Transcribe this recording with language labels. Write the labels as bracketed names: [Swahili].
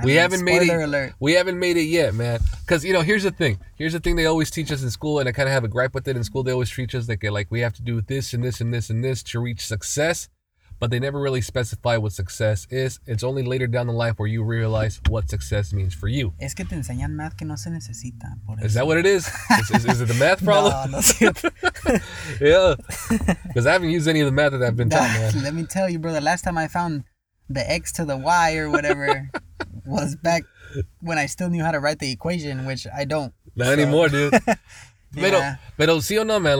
[English] We haven't made it yet, man. Because, you know, here's the thing. Here's the thing they always teach us in school, and I kind of have a gripe with it in school. They always teach us like we have to do this and this and this and this to reach success, but they never really specify what success is. It's only later down the line where you realize what success means for you. [Spanish] Es que te enseñan math que no se necesita. Por eso. [English] Is that what it is? Is it the math problem? [Spanish] No, no siento. [English] Yeah. Because I haven't used any of the math that I've been taught, man. Let me tell you, bro, the last time I found... the X to the Y or whatever was back when I still knew how to write the equation, which I don't. Not anymore, dude. Yeah. [Spanish] Pero sí o no, [English] man.